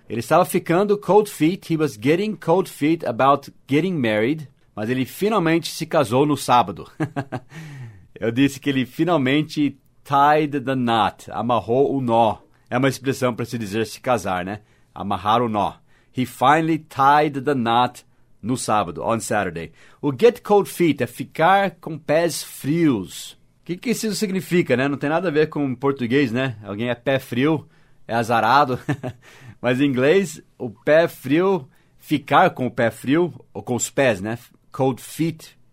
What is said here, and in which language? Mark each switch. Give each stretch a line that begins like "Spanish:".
Portuguese: Ele estava ficando
English: cold feet, he was getting cold feet about getting married,
Portuguese: mas ele finalmente se casou no sábado. Eu disse que ele finalmente
English: tied the knot,
Portuguese: amarrou o nó. É uma expressão para se dizer se casar, né? Amarrar o nó.
English: He finally tied the knot
Portuguese: no sábado,
English: on Saturday.
Portuguese: O
English: get cold feet
Portuguese: é ficar com pés frios. O que isso significa, né? Não tem nada a ver com português, né? Alguém é pé frio, é azarado. Mas em inglês, o pé frio, ficar com o pé frio, ou com os pés, né?
English: Cold feet.